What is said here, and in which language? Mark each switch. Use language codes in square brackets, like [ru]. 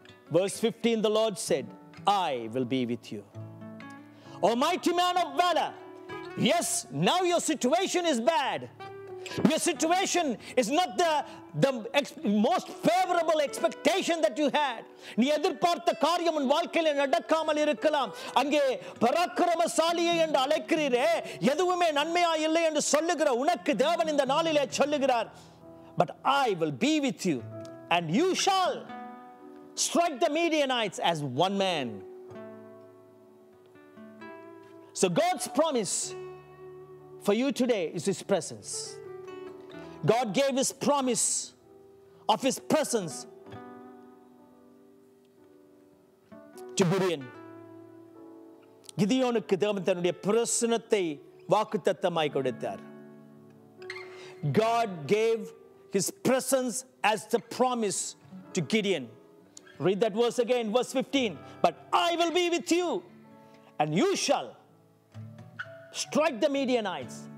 [en] Verse 15, the Lord said, I will be with you. O mighty man of valor, yes, now your situation is bad. Your situation is not the most favorable expectation that you had. [ta] நீ எதிர்பார்த்த காரியம் உன் வாழ்க்கையில் நடக்காமல் இருக்கலாம். அங்கே பராக்கிரமசாலியை என்று அழைக்கிறீரே, எதுவுமே நன்மையா இல்லை என்று சொல்லுகிற உனக்கு தேவன் இந்த நாளிலே சொல்லுகிறார், [en] But I will be with you and you shall strike the Midianites as one man. So God's promise for you today is His presence. God gave His promise of His presence to Gideon. [ta] கிதியோனுக்கு தேவன் தன்னுடைய பிரசன்னத்தை வாக்குத்தத்தமாய் கொடுத்தார். [en] God gave His presence as the promise to Gideon. Read that verse again, verse 15. But I will be with you, and you shall strike the Midianites.